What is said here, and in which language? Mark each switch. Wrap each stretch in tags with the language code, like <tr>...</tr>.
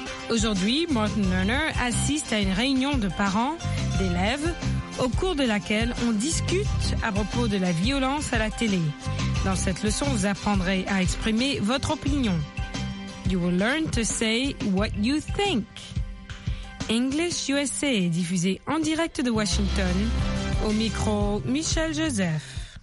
<fr>Aujourd'hui, Martin Lerner assiste à une réunion de parents d'élèves au cours de laquelle on discute à propos de la violence à la télé. Dans cette leçon, vous apprendrez à exprimer votre opinion.</fr> <en>You will learn to say what you think.</en> <fr>English USA est diffusé en direct de Washington. Au micro, Michel Joseph.</fr>